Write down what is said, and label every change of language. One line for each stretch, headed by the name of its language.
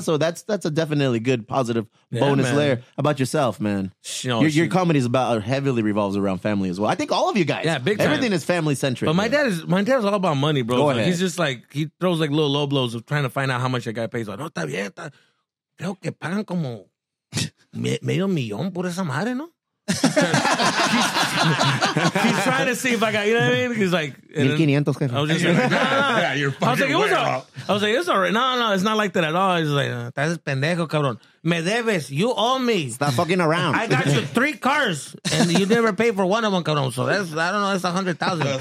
English: So that's a definitely good, positive bonus layer about yourself, man. Your comedy is about heavily revolves around family as well. I think all of you guys. Yeah, big time. Everything is family-centric. But my dad's all about money, bro. He's just like, he throws like little low blows of trying to find out how much a guy pays. Like,
Spanish: no, está bien. Creo que pagan como... medio millón por esa madre, ¿no?
English: He's trying to see if I got, you know what I mean? He's like, 1500, I was just like, yeah, you're fucking I was like, it's all right. No, it's not like that at all. He's like, that's pendejo, cabrón.
Spanish: Me debes,
English: you owe me. Stop fucking around. I got you three cars and you never paid for one of them, cabrón. So that's, I don't know, that's 100,000.